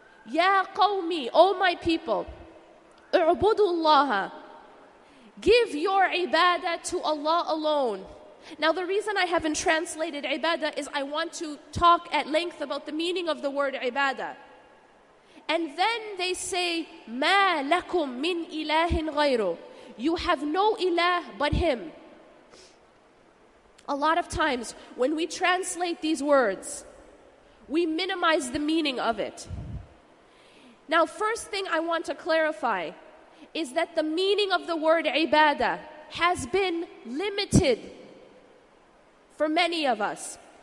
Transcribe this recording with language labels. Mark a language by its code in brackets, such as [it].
[ar] Ya qawmi, [en] O my people, [ar] اعبدوا الله, [en] give your ibadah to Allah alone. Now the reason I haven't translated ibadah is I want to talk at length about the meaning of the word ibadah. And then they say, [ar] مَا لَكُم مِّن إِلَهٍ غَيْرُ. [en] You have no ilah but Him. A lot of times when we translate these words, we minimize the meaning of it. Now, first thing I want to clarify is that the meaning of the word ibadah has been limited for many of us.